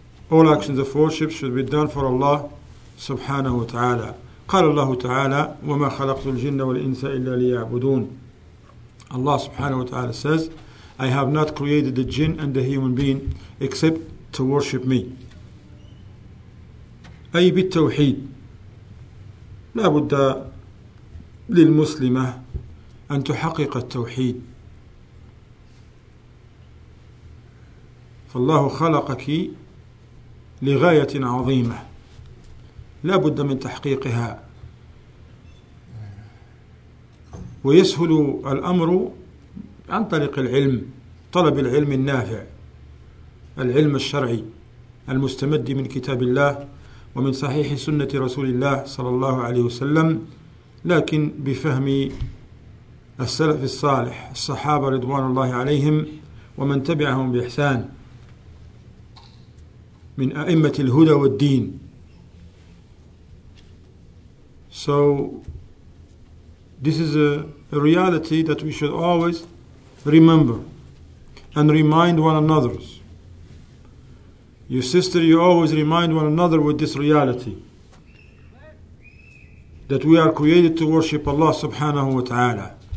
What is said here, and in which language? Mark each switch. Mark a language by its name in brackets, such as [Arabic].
[English] All actions of worship should be done for Allah subhanahu wa ta'ala. [Arabic] قال الله تعالى وَمَا خَلَقْتُ الْجِنَّ وَالْإِنسَ إِلَّا لِيَعْبُدُونَ. [English] Allah subhanahu wa ta'ala says, I have not created the jinn and the human being except to worship me. [Arabic] أي بالتوحيد. لا بد للمسلمة أن تحقق التوحيد، فالله خلقك لغاية عظيمة لا بد من تحقيقها، ويسهل الأمر عن طريق العلم، طلب العلم النافع، العلم الشرعي المستمد من كتاب الله ومن صحيح سنة رسول الله صلى الله عليه وسلم، لكن بفهم السلف الصالح الصحابة رضوان الله عليهم ومن تبعهم بإحسان من أئمة الهدى والدين. [English] So this is a reality that we should always remember and remind one another. Your sister, you always remind one another with this reality, that we are created to worship Allah subhanahu wa ta'ala.